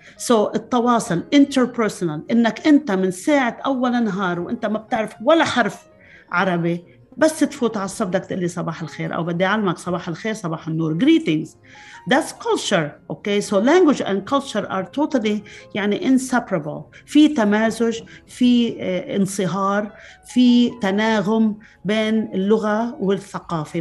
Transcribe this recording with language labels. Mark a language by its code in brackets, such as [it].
[ar] So التواصل, interpersonal, إنك أنت من ساعة أول نهار وأنت ما بتعرف ولا حرف عربي, بس تفوت على الصف بدك تقلي صباح الخير أو بدي أعلمك صباح الخير صباح النور. [en] Greetings. That's culture. Okay, so language and culture are totally يعني inseparable. [ar] في تمازج, في انصهار, في تناغم بين اللغة والثقافة.